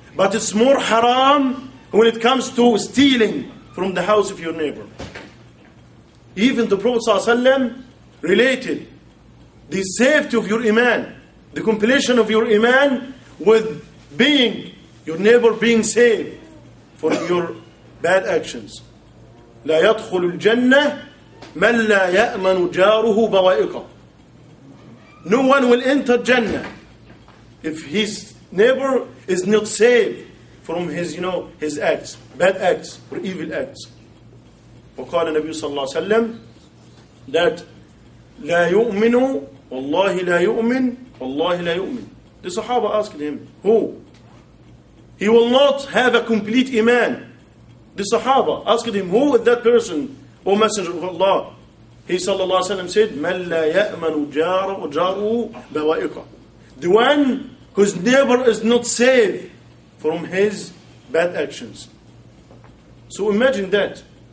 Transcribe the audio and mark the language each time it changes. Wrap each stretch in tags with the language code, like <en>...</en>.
<en>But it's more haram when it comes to stealing from the house of your neighbor. Even the Prophet sallallahu alaihi wasallam related the safety of your iman, the completion of your iman, with being your neighbor being saved for your bad actions.</en> <ar>لا يدخل الجنة من لا يأمن جاره بوائقه.</ar> <en>No one will enter Jannah if his neighbor is not saved from his, you know, his acts, bad acts or evil acts.</en> <ar>وقال النبي صلى الله عليه وسلم</ar> <en>that</en> <ar>لا يؤمن والله لا يؤمن والله لا يؤمن.</ar> <en>The Sahaba asked him, who? He will not have a complete iman. The Sahaba asked him, who is that person, O Messenger of Allah? He sallallahu alayhi wa sallam said,</en> <ar>من لا يأمن جاره بوائقه.</ar> <en>The one whose neighbor is not saved from his bad actions. So imagine that.</en>